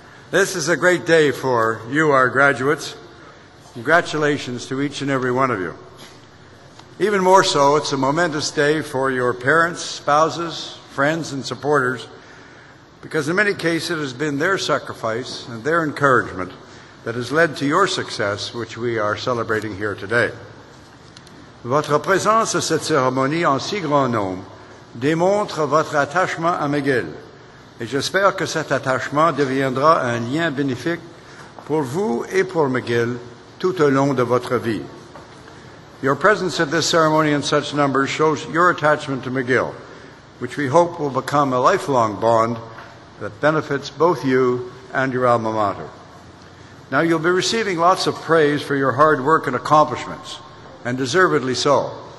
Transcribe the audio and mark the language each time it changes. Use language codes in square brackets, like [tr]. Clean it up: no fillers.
[en] This is a great day for you, our graduates. Congratulations to each and every one of you. Even more so, it's a momentous day for your parents, spouses, friends, and supporters, because in many cases, it has been their sacrifice and their encouragement that has led to your success, which we are celebrating here today. [fr] Votre présence à cette cérémonie en si grand nombre démontre votre attachement à McGill, et j'espère que cet attachement deviendra un lien bénéfique pour vous et pour McGill tout au long de votre vie. [en] Your presence at this ceremony in such numbers shows your attachment to McGill, which we hope will become a lifelong bond that benefits both you and your alma mater. Now, you'll be receiving lots of praise for your hard work and accomplishments, and deservedly so.